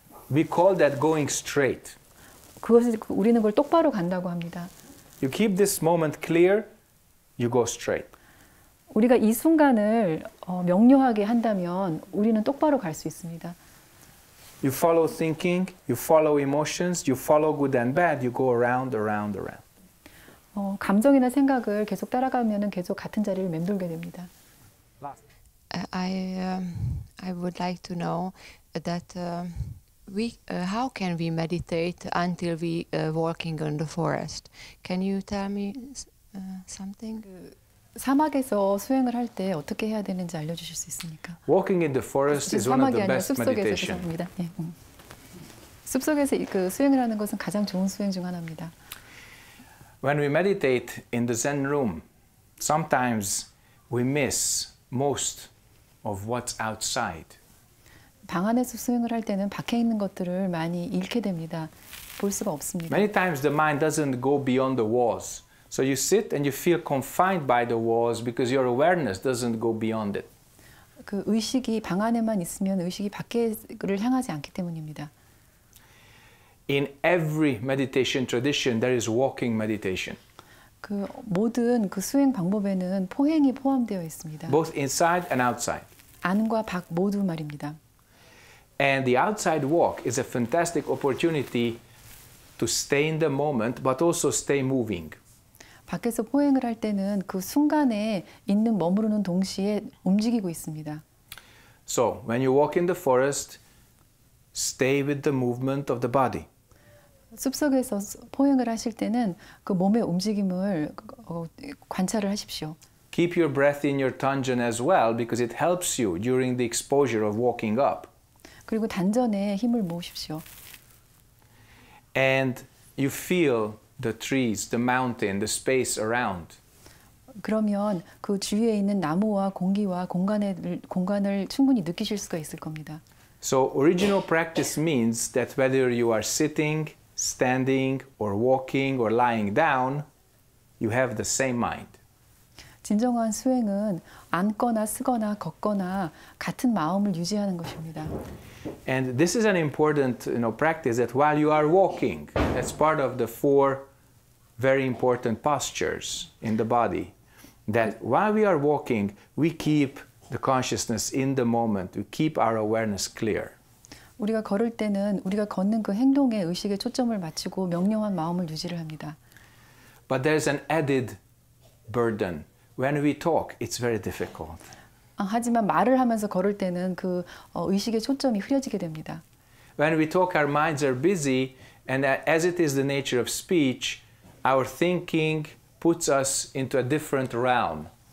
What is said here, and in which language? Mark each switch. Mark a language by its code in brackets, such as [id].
[en] We call that going straight. [ko] 그것을 우리는 그걸 똑바로 간다고 합니다. [en] You keep this moment clear, you go straight. [ko] 우리가 이 순간을 명료하게 한다면 우리는 똑바로 갈 수 있습니다. [en] You follow thinking, you follow emotions, you follow good and bad, you go around, around, around. [ko] 감정이나 생각을 계속 따라가면은 계속 같은 자리를 맴돌게 됩니다. [en] I would like to know that how can we meditate until we walking in the forest? Can you tell me something? [ko] 사막에서 수행을 할 때 어떻게 해야 되는지 알려주실 수 있습니까? [en] Walking in the forest is one of the best meditation. [ko] 숲속에서 그 수행을 하는 것은 가장 좋은 수행 중 하나입니다. [en] When we meditate in the Zen room, sometimes we miss most of what's outside. [ko] 방 안에서 수행을 할 때는 밖에 있는 것들을 많이 잃게 됩니다. 볼 수가 없습니다. [en] Many times the mind doesn't go beyond the walls. So you sit and you feel confined by the walls because your awareness doesn't go beyond it. [ko] 그 의식이 방 안에만 있으면 의식이 밖에를 향하지 않기 때문입니다. [en] In every meditation tradition, there is walking meditation. [ko] 그 모든 그 수행 방법에는 포행이 포함되어 있습니다. [en] Both inside and outside. [ko] 안과 밖 모두 말입니다. [en] And the outside walk is a fantastic opportunity to stay in the moment, but also stay moving. [ko] 밖에서 포행을 할 때는 그 순간에 있는 머무르는 동시에 움직이고 있습니다. [en] So, when you walk in the forest, stay with the movement of the body. [ko] 숲속에서 포행을 하실 때는 그 몸의 움직임을 관찰을 하십시오. [en] Keep your breath in your dungeon as well because it helps you during the exposure of walking up. [ko] 그리고 단전에 힘을 모으십시오. [en] And you feel the trees, the mountain, the space around. [ko] 그러면 그 주위에 있는 나무와 공기와 공간을 충분히 느끼실 수가 있을 겁니다. [en] So original practice means that whether you are sitting, standing, or walking, or lying down, you have the same mind. [ko] 진정한 수행은 앉거나 쓰거나 걷거나 같은 마음을 유지하는 것입니다. [en] And this is an important, you know, practice that while you are walking, that's part of the four very important postures in the body, that while we are walking, we keep the consciousness in the moment, we keep our awareness clear. [ko] 우리가 걸을 때는 우리가 걷는 그 행동에 의식의 초점을 맞추고 명료한 마음을 유지를 합니다. [en] But there's an added burden. When we talk, it's very difficult. [ko] 하지만 말을 하면서 걸을 때는 그 의식의 초점이 흐려지게 됩니다. [en] When we talk, our minds are busy, and as it is the nature of speech, our thinking puts us into a different realm.